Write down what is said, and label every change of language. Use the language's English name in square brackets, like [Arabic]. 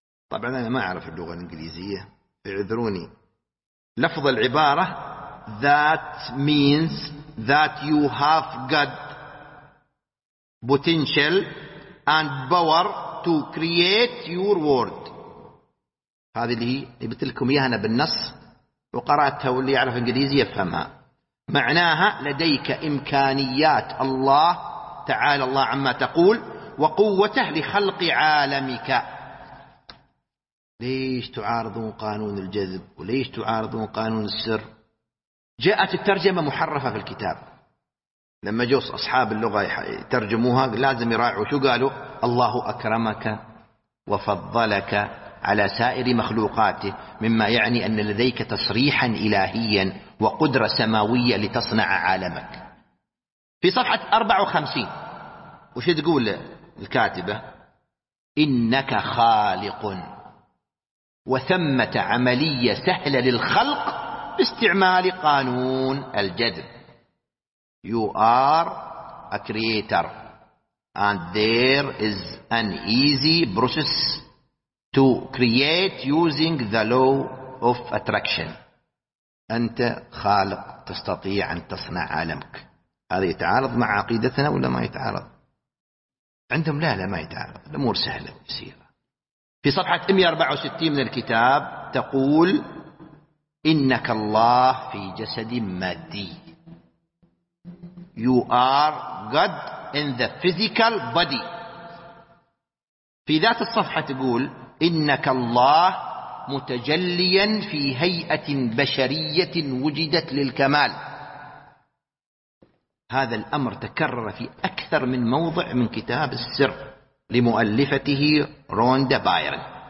[Arabic] طبعا أنا ما أعرف اللغة الإنجليزية، اعذروني، لفظ العبارة [English] that means that you have got potential and power to create your world. [Arabic] هذه اللي قلت لكم اياها انا بالنص وقراتها، واللي يعرف انجليزي يفهمها. معناها لديك امكانيات الله تعالى، الله عما تقول، وقوته لخلق عالمك. ليش تعارضون قانون الجذب؟ وليش تعارضون قانون السر؟ جاءت الترجمة محرفة في الكتاب. لما جوا أصحاب اللغة يترجموها لازم يراعوا شو قالوا. الله أكرمك وفضلك على سائر مخلوقاته، مما يعني أن لديك تصريحا إلهيا وقدرة سماوية لتصنع عالمك. في صفحة 54 وش تقول الكاتبة؟ إنك خالق، وثمة عملية سهلة للخلق باستعمال قانون الجذب. [English] You are a creator and there is an easy process to create using the law of attraction. [Arabic] أنت خالق، تستطيع أن تصنع عالمك. هذا يتعارض مع عقيدتنا ولا ما يتعارض؟ عندهم لا ما يتعارض، الأمور سهلة يسيرة. في صفحة 164 من الكتاب تقول إنك الله في جسد مادي. [English] You are God in the physical body. [Arabic] في ذات الصفحة تقول إنك الله متجليا في هيئة بشرية وجدت للكمال. هذا الأمر تكرر في أكثر من موضع من كتاب السر لمؤلفته روندا بايرن.